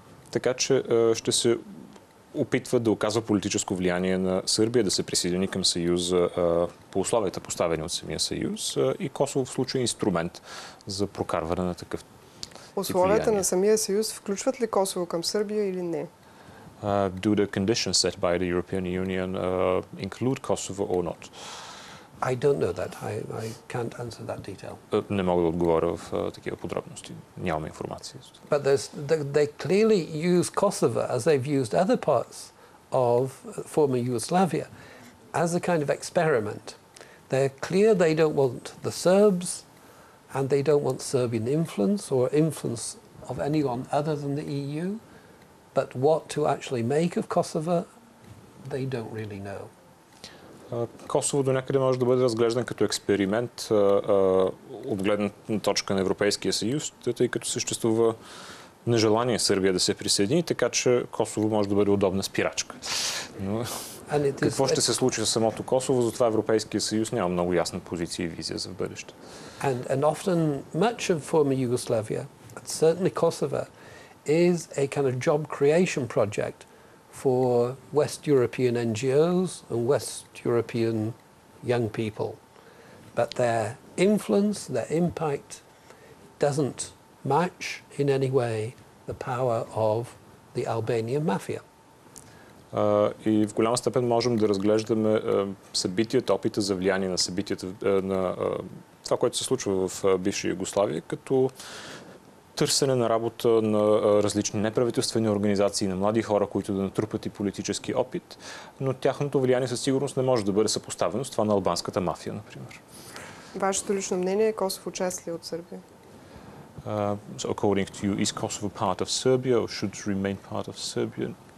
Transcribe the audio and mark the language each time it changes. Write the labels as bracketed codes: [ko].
[bg] така че ще се опитва да оказва политическо влияние на Сърбия, да се присъедини към Съюза по условията, поставени от самия Съюз, и Косово в случая е инструмент за прокарване на такъв тип влияние. Условията на самия Съюз включват ли Косово към Сърбия или не? [en] Do the conditions set by the European Union include Kosovo or not? I don't know that. I can't answer that detail. [bg] Не мога да отговоря в такива подробности. Нямам информация. [en] But they clearly use Kosovo, as they've used other parts of former Yugoslavia, as a kind of experiment. They're clear they don't want the Serbs, and they don't want Serbian influence or influence of anyone other than the EU. But what to actually make of Kosovo, they don't really know. [bg] Косово до някъде може да бъде разглеждан като експеримент от гледна точка на Европейския съюз, тъй като съществува нежелание Сърбия да се присъедини, така че Косово може да бъде удобна спирачка. Но, какво ще се случи с самото Косово, затова Европейския съюз няма много ясна позиция и визия за бъдеще. [en] And often much of former Yugoslavia, certainly Kosovo, is a kind of job creation project for West European NGOs and West European young people. But their influence, their impact, doesn't match in any way the power of the Albanian mafia. [bg] И в голяма степен можем да разглеждаме събитията, опита за влияние на събитията, на това, което се случва в бивша Югославия, като търсене на работа на различни неправителствени организации, на млади хора, които да натрупат и политически опит, но тяхното влияние със сигурност не може да бъде съпоставено с това на албанската мафия, например. Вашето лично мнение е Косово част ли от Сърбия? [en] So according to you, is Kosovo part of Serbia or should remain part of Serbia?